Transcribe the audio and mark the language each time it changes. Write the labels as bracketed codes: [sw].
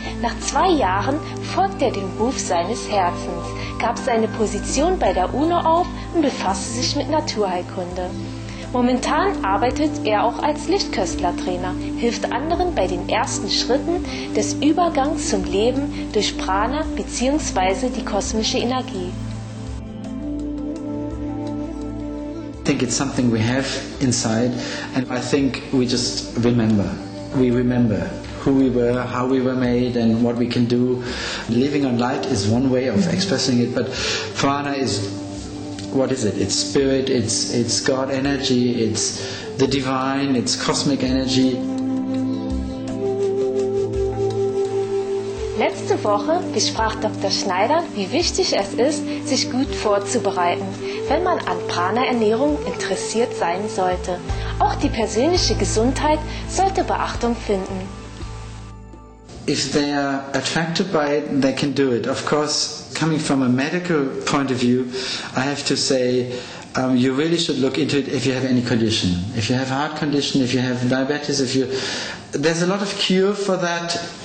[de] Nach 2 Jahren folgte er dem Ruf seines Herzens, gab seine Position bei der UNO auf und befasste sich mit Naturheilkunde. Momentan arbeitet er auch als Lichtköstlertrainer, hilft anderen bei den ersten Schritten des Übergangs zum Leben durch Prana bzw. die kosmische Energie. [en] I think it's something we have inside, and I think we just remember. We remember who we were, how we were made, and what we can do. Living on light is one way of expressing it, but prana is, what is it? It's spirit, it's God energy, it's the divine, it's cosmic energy. [de] Letzte Woche besprach Dr. Schneider, wie wichtig es ist, sich gut vorzubereiten, wenn man an Prana-Ernährung interessiert sein sollte. Auch die persönliche Gesundheit sollte Beachtung finden. [en] If they are attracted by it, they can do it. Of course, coming from a medical point of view, I have to say, you really should look into it if you have any condition. If you have heart condition, if you have diabetes, there's a lot of cure for that.